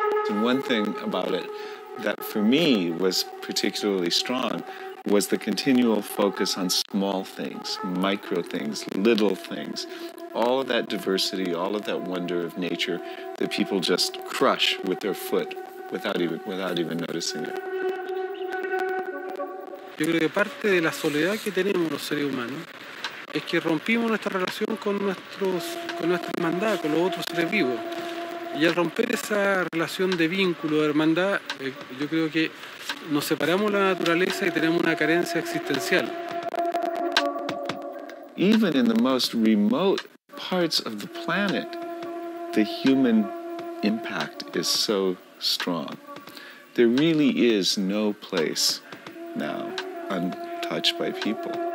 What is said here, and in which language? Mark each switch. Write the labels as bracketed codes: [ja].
[en] And one thing about it that for me was particularly strong was the continual focus on small things, micro things, little things, all of that diversity, all of that wonder of nature that people just crush with their foot without even noticing it. [es] Yo creo que parte de la soledad que tenemos los seres humanos es que rompimos nuestra relación con nuestra hermandad, con los otros seres vivos. Y al romper esa relación de vínculo, de hermandad, yo creo que nos separamos de la naturaleza y tenemos una carencia existencial. [en] Even in the most remote parts of the planet, the human impact is so strong. There really is no place now untouched by people.